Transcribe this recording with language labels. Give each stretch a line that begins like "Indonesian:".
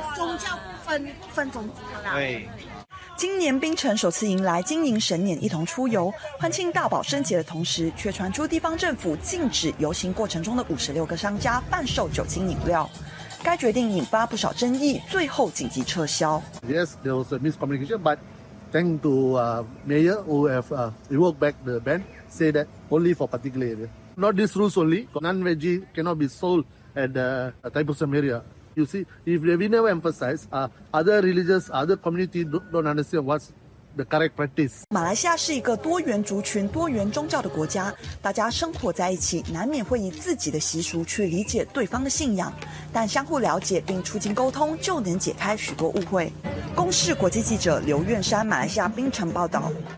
Chinese: 宗教不分种族的啦。对，今年槟城首次迎来金银神年一同出游，欢庆大宝生节的同时，却传出地方政府禁止游行过程中的56个商家贩售酒精饮料。该决定引发不少争议，最后紧急撤销。
English: Yes, there was a miscommunication, but thanks to mayor who have revoked back the ban, say that only for particular area. Not this rules only. Non-veggie cannot be sold at the Taipusam area. You see, if we never emphasize, other religious, other community don't understand what's the correct practice.
Chinese: 马来西亚是一个多元族群、多元宗教的国家，大家生活在一起，难免会以自己的习俗去理解对方的信仰，但相互了解并促进沟通，就能解开许多误会。公视国际记者刘苑珊，马来西亚槟城报道。